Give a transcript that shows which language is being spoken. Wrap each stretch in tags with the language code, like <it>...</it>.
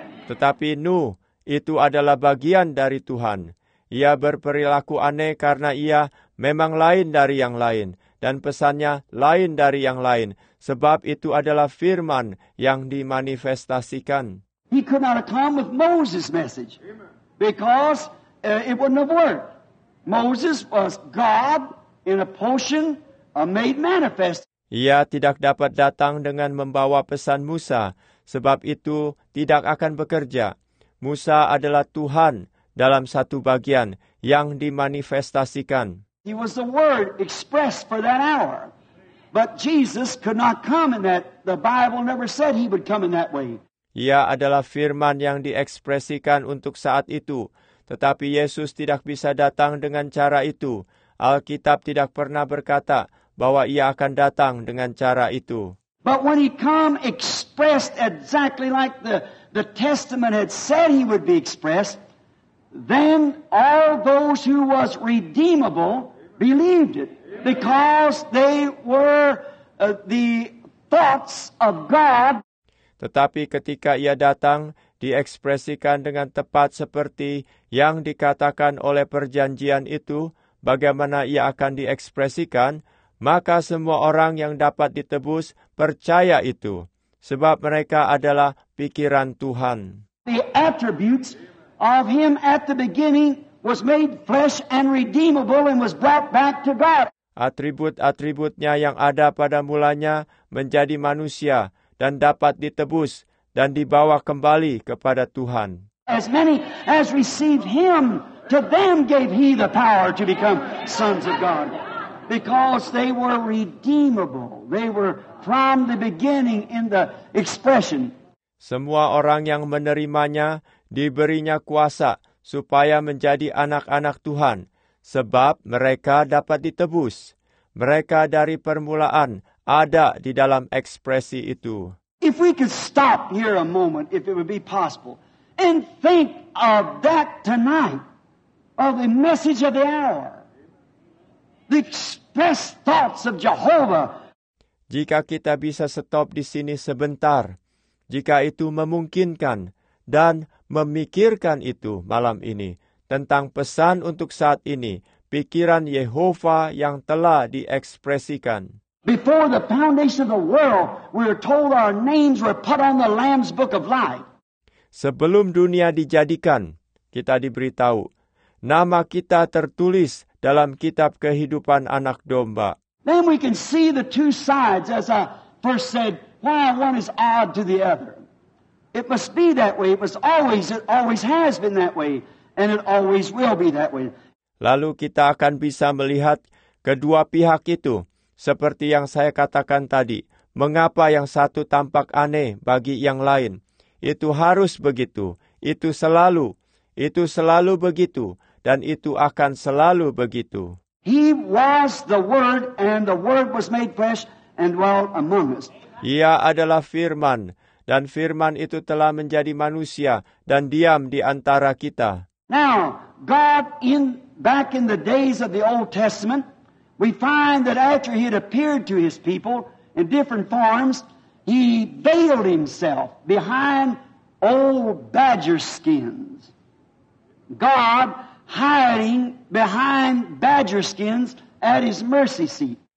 <id>Tetapi Nuh, itu adalah bagian dari Tuhan. Ia berperilaku aneh karena ia memang lain dari yang lain. Dan pesannya lain dari yang lain. Sebab itu adalah firman yang dimanifestasikan.</id> <en>He could not have come with Moses' message. Because it wouldn't have worked. Moses was God in a portion made manifest.</en> <id>Ia tidak dapat datang dengan membawa pesan Musa. Sebab itu tidak akan bekerja. Musa adalah Tuhan dalam satu bagian yang dimanifestasikan.</id> <en>He was the word expressed for that hour. But Jesus could not come in that. The Bible never said he would come in that way.</en> <id>Ia adalah firman yang diekspresikan untuk saat itu. Tetapi Yesus tidak bisa datang dengan cara itu. Alkitab tidak pernah berkata bahwa ia akan datang dengan cara itu.</id> <en>But when he come expressed exactly like the Testament had said he would be expressed, then all those who was redeemable believed it. Because they were the thoughts of God.</en> <id>Tetapi ketika ia datang, diekspresikan dengan tepat seperti yang dikatakan oleh perjanjian itu, bagaimana ia akan diekspresikan, maka semua orang yang dapat ditebus percaya itu, sebab mereka adalah pikiran Tuhan.</id> <en>The attributes of him at the beginning was made flesh and redeemable and was brought back to God.</en> <id>Atribut-atributnya yang ada pada mulanya menjadi manusia, dan dapat ditebus dan dibawa kembali kepada Tuhan.</id> <en>As many as received him, to them gave he the power to become sons of God. Because they were redeemable. They were from the beginning in the expression.</en> <id>Semua orang yang menerimanya diberinya kuasa supaya menjadi anak-anak Tuhan. Sebab mereka dapat ditebus. Mereka dari permulaan ada di dalam ekspresi itu.</id> <en>If we could stop here a moment, if it would be possible, and think of that tonight, of the message of the hour, the express thoughts of Jehovah.</en> <id>Jika kita bisa stop di sini sebentar, jika itu memungkinkan, dan memikirkan itu malam ini, tentang pesan untuk saat ini, pikiran Yehovah yang telah diekspresikan.</id> <en>Before the foundation of the world, we were told our names were put on the Lamb's Book of Life.</en> <id>Sebelum dunia dijadikan, kita diberitahu, nama kita tertulis dalam kitab kehidupan anak domba.</id> <en>Then we can see the two sides, as I first said, why one is odd to the other. It must be that way. It always has been that way. And it always will be that way.</en> <id>Lalu kita akan bisa melihat kedua pihak itu. Seperti yang saya katakan tadi, mengapa yang satu tampak aneh bagi yang lain? Itu harus begitu, itu selalu begitu, dan itu akan selalu begitu.</id> <en>He was the Word, and the Word was made flesh and dwelt among us.</en> <id>Ia adalah Firman, dan Firman itu telah menjadi manusia dan diam di antara kita.</id> <en>Now, God back in the days of the Old Testament. We find that after he had appeared to his people in different forms, he veiled himself behind old badger skins. God hiding behind badger skins at his mercy seat.</en>